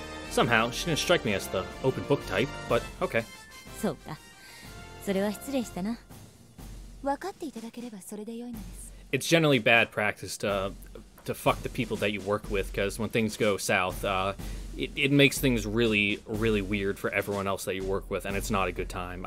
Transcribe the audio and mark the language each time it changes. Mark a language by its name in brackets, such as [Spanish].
[English] Somehow, she didn't strike me as the open book type, but okay. [Japanese] そうか。それは失礼したな。分かっていただければそれで良いのです。 [English] It's generally bad practice to fuck the people that you work with, because when things go south, It makes things really, really weird for everyone else that you work with, and it's not a good time.